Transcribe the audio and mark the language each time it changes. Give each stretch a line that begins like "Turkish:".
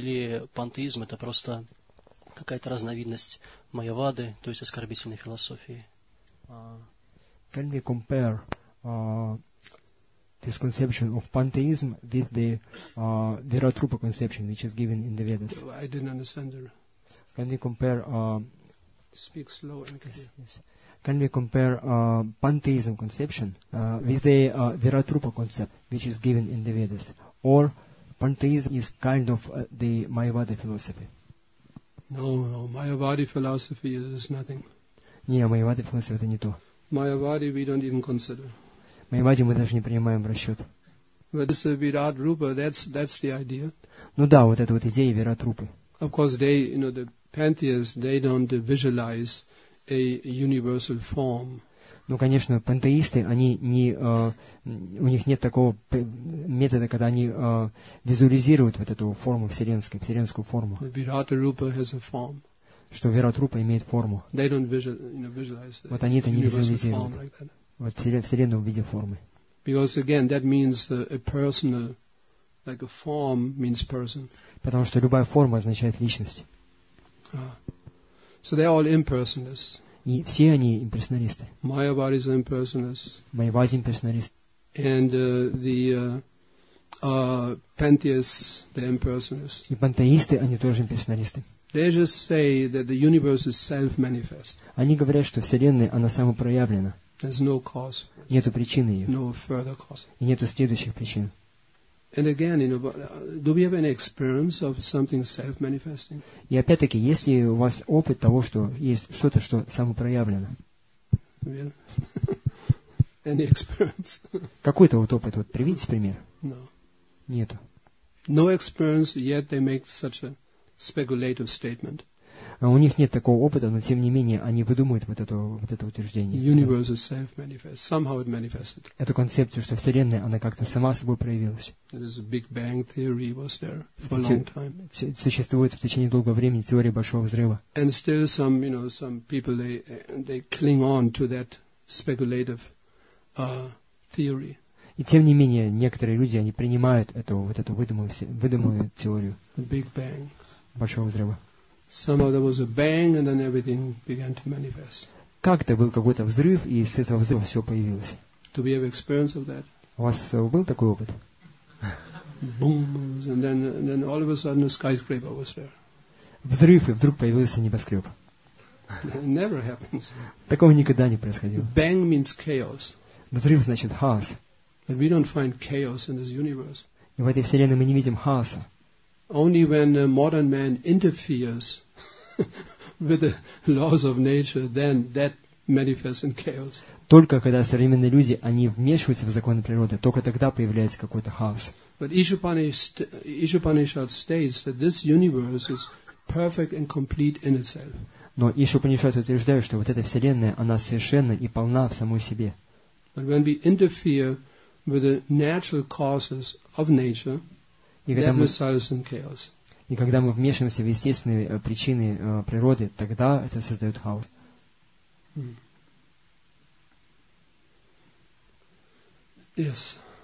Russian: Или пантеизм – это просто какая-то разновидность майявады, то есть оскорбительной философии?
English: Can we compare this conception of pantheism with the Vératrupa conception, which is given in the Vedas? I didn't understand her. Can we compare... Speak slow and clear. Yes. Can we compare pantheism conception with the Vératrupa concept, which is given in the Vedas? Or pantheism is kind of the Mayavada philosophy? No, Mayavada philosophy is nothing.
Russian: Нет,
English: Mayavada philosophy
Russian: – это не то.
English: Mayavada we don't even consider.
Russian: Mayavada мы даже не принимаем в расчет.
English: But this Virat Rupa, that's the idea.
Russian: Ну да, вот эта вот идея Вират Рупы.
English: Of course, they, you know, the pantheists, they don't visualize a universal form.
Russian: Ну, конечно, пантеисты, они не, у них нет такого метода, когда они визуализируют вот эту форму вселенскую, вселенскую форму.
English: Virata Rupa has a form.
Russian: Что Virata Rupa имеет форму.
English: They don't visual, you know, visualize
Russian: вот они это не визуализируют. Like вот вселенную в виде формы.
English: Because again, that means a personal, like a form means person.
Russian: Потому что любая форма означает личность.
English: Ah. So they are all impersonalists.
Russian: И все они имперсоналисты.
English: Mayavadi is an impersonalist. Mayavadi impersonalist. And the pantheists, the impersonalists.
Russian: И пантеисты, они тоже имперсоналисты.
English: They just say that the universe is self-manifest.
Russian: Они говорят, что вселенная она самопроявлена.
English: There's no cause.
Russian: Нету причины ее.
English: No further cause.
Russian: И нету следующих причин.
English: And again, you know, do we have any experience of something self-manifesting?
Russian: И опять-таки, есть ли у вас опыт того, что есть что-то, что самопроявлено?
English: Yeah. Any experience?
Russian: Какой-то вот опыт, вот приведите пример.
English: No.
Russian: Нету.
English: No experience, yet they make such a speculative statement.
Russian: У них нет такого опыта, но тем не менее они выдумывают вот это утверждение.
English: Universe is self-manifest. Somehow it manifested.
Russian: Эту концепцию, что Вселенная, она как-то сама собой проявилась.
English: There is a Big Bang theory was there for a long time.
Russian: Существует в течение долгого времени теория Большого Взрыва.
English: And still some, you know, some people they cling on to that speculative theory.
Russian: И тем не менее некоторые люди они принимают эту выдуманную теорию.
English: The Big Bang.
Russian: Большого Взрыва.
English: Somehow there was a bang, and then everything began to manifest.
Russian: Как-то был какой-то взрыв, и с этого взрыва все появилось.
English: Do we have experience of that?
Russian: У вас был такой опыт?
English: Boom, and then all of a sudden a skyscraper was there.
Russian: Взрыв, и вдруг появился небоскреб.
English: Never happens.
Russian: Такого никогда не происходило.
English: Bang means chaos.
Russian: Взрыв значит хаос.
English: But we don't find chaos in this universe.
Russian: И в этой вселенной мы не видим хаоса.
English: Only when a modern man interferes with the laws of nature, then that manifests in chaos.
Russian: Только когда современные люди они вмешиваются в законы природы, только тогда появляется какой-то хаос.
English: But Ishupanishad states that this universe is perfect and complete in itself.
Russian: Но Ишупанишад утверждает, что вот эта вселенная она совершенна и полна в самой себе.
English: But when we interfere with the natural causes of nature.
Russian: И когда мы вмешиваемся в естественные причины природы, тогда это создает хаос.
English: Yes.